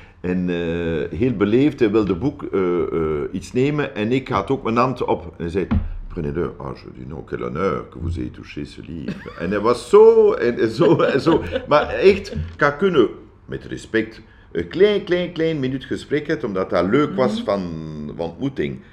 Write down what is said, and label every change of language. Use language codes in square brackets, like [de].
[nl] En heel beleefd, hij wilde iets nemen en ik had ook mijn hand op. En hij zei, [fr] prenez-le, je dis non, quel honneur que vous ayez touché ce livre. [nl] En hij was zo en zo. Maar echt, ik had kunnen, met respect, een klein minuut gesprek hebben, omdat dat leuk was van ontmoeting.